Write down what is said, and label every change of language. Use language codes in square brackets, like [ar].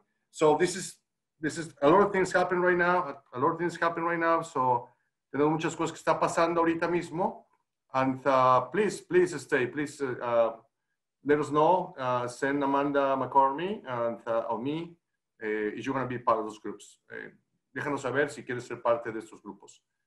[en] So this is a lot of things happen right now. [es] So tenemos muchas cosas que está pasando ahorita mismo. [en] And please stay. Please let us know. Send Amanda McCormy and or me if you're going to be part of those groups. [es] Déjanos saber si quieres ser parte de estos grupos.